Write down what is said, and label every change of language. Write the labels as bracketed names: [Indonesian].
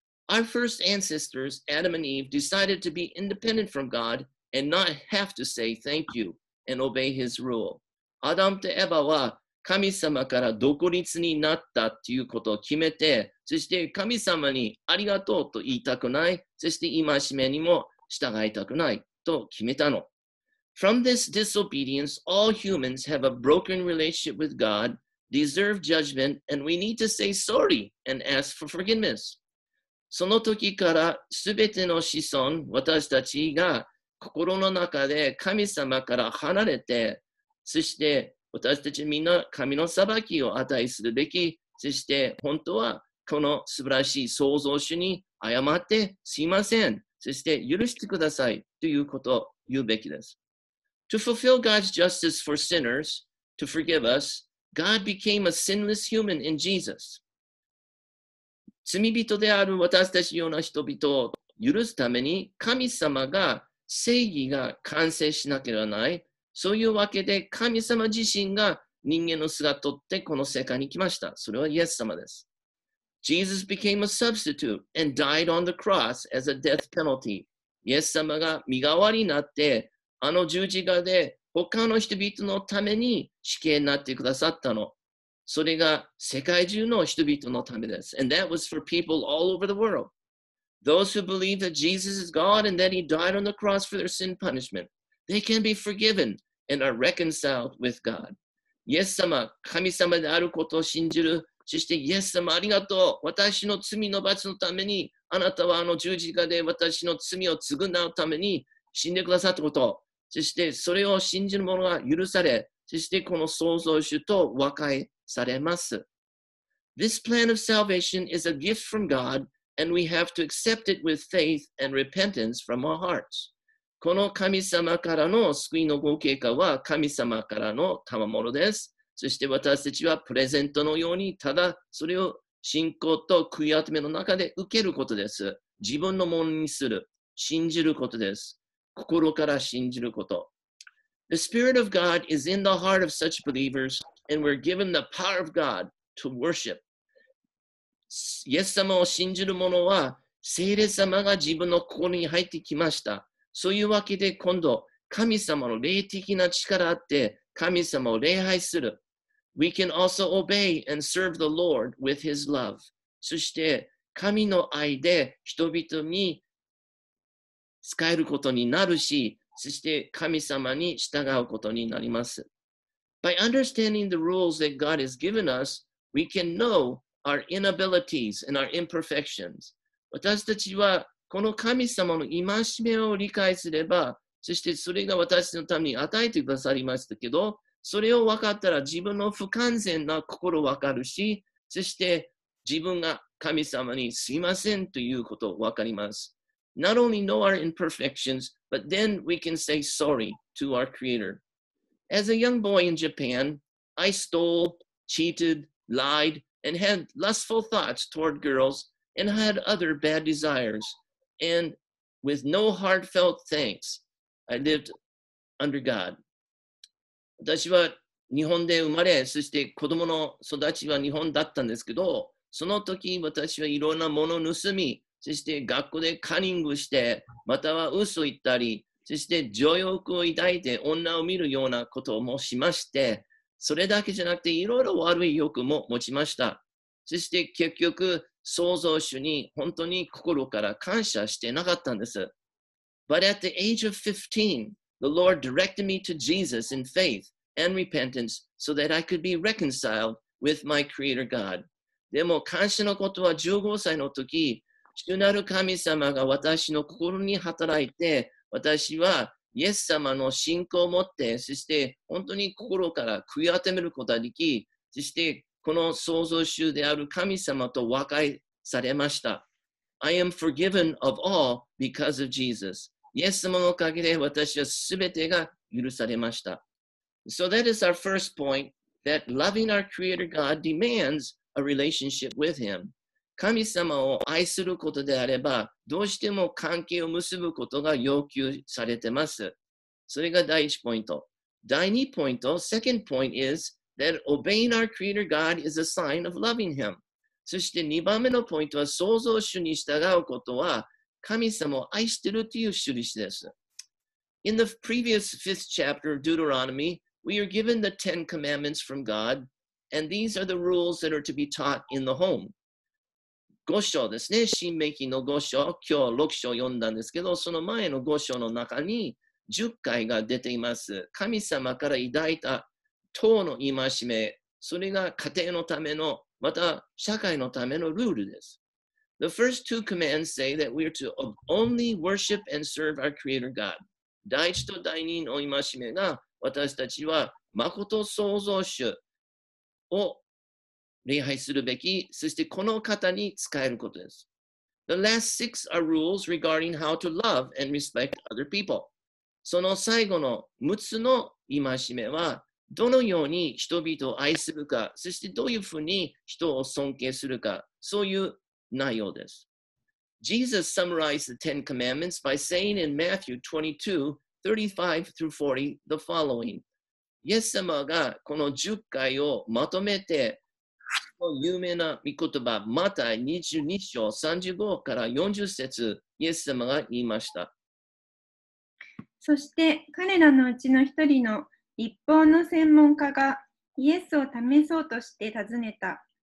[English] Our first ancestors, Adam and Eve, decided to be independent from God and not have to say thank you and obey his rule. [Japanese] アダムとエヴァは神様から独立になったということを決めて、そして神様にありがとうと言いたくない、そして戒めにも従いたくないと決めたの。 [English] From this disobedience, all humans have a broken relationship with God, deserve judgment, and we need to say sorry and ask for forgiveness. [Japanese] その時からすべての子孫、私たちが心の中で神様から離れて、そして私たちみんな神の裁きを値するべき、そして本当はこの素晴らしい創造主に謝ってすいません、そして許してくださいということを言うべきです。 [English] To fulfill God's justice for sinners, to forgive us, God became a sinless human in Jesus. [Japanese] 罪人である私たちような人々を許すために神様が正義が完成しなければない。そういうわけで神様自身が人間の姿をとってこの世界に来ました。それはイエス様です。 [English] Jesus became a substitute and died on the cross as a death penalty. [Japanese] イエス様が身代わりになってあの十字架で他の人々のために死刑になってくださったの。それが世界中の人々のためです。 [English] And that was for people all over the world. Those who believe that Jesus is God and that he died on the cross for their sin punishment, they can be forgiven and are reconciled with God. [Japanese] イエス様、神様であることを信じる。そしてイエス様、ありがとう。私の罪の罰のために、あなたはあの十字架で私の罪を償うために死んでくださったこと。そしてそれを信じる者は許され、そしてこの創造主と和解。されます。 [English] This plan of salvation is a gift from God, and we have to accept it with faith and repentance from our hearts. [Japanese] この神様からの救いのご計画は神様からの賜物です。そして私たちはプレゼントのようにただそれを信仰と悔い改めの中で受けることです。自分のものにする、信じることです。心から信じること。 [English] The Spirit of God is in the heart of such believers. And we're given the power of God to worship. [Japanese] イエス様を信じる者は、聖霊様が自分の心に入ってきました。そういうわけで今度、神様の霊的な力あって、神様を礼拝する。 [English] We can also obey and serve the Lord with his love. [Japanese] そして、神の愛で人々に仕えることになるし、そして神様に従うことになります。 [English] By understanding the rules that God has given us, we can know our inabilities and our imperfections. [Japanese] 私たちはこの神様の戒めを理解すれば、そしてそれが私のために与えてくださりましたけど、それを分かったら自分の不完全な心を分かるし、そして自分が神様にすいませんということを分かります。 [English] Not only know our imperfections, but then we can say sorry to our Creator. As a young boy in Japan, I stole, cheated, lied, and had lustful thoughts toward girls, and had other bad desires. And with no heartfelt thanks, I lived under God. [Japanese] 私は日本で生まれ、そして子供の育ちは日本だったんですけど、その時私はいろんなものを盗み、そして学校でカンニングして、または嘘を言ったり、そして情欲を抱いて女を見るようなことをもしまして、それだけじゃなくていろいろ悪い欲も持ちました。そして結局、創造主に本当に心から感謝してなかったんです。 [English] But at the age of 15, the Lord directed me to Jesus in faith and repentance so that I could be reconciled with my Creator God. [Japanese] でも感謝のことは15歳の時、主なる神様が私の心に働いて、私はイエス様の信仰を持って、そして本当に心から悔い改めることができ、そしてこの創造主である神様と和解されました。 [English] I am forgiven of all because of Jesus. [Japanese] イエス様のおかげで私はすべてが許されました。 [English] So that is our first point, that loving our Creator God demands a relationship with Him. [Japanese] 神様を愛することであれば、どうしても関係を結ぶことが要求されています。それが第一ポイント。第二ポイント、 [English] second point is that obeying our Creator God is a sign of loving Him. [Japanese] そして二番目のポイントは、創造主に従うことは、神様を愛しているという印です。 [English] In the previous fifth chapter of Deuteronomy, we are given the Ten Commandments from God, and these are the rules that are to be taught in the home. [Japanese] 五章ですね。新明記の五章。今日六章読んだんですけど、その前の五章の中に十回が出ています。神様から抱いた党の戒め、それが家庭のための、また社会のためのルールです。 [English] The first two commands say that we are to only worship and serve our Creator God. [Japanese] 第一と第二の戒めが、私たちは誠創造主を礼拝するべき、そしてこの方に仕えることです。 [English] The last six are rules regarding how to love and respect other people. [Japanese] その最後の6つの戒めは、どのように人々を愛するか、そしてどういうふうに人を尊敬するか、そういう内容です。 [English] Jesus summarized the Ten Commandments by saying in Matthew 22:35-40 the following. [Japanese] イエス様がこの10回をまとめて、有名な御言葉、マタイ22章35から40節、イエス様が言いました。そして彼らのうちの一人の律法の専門家がイエスを試そうとして尋ねた。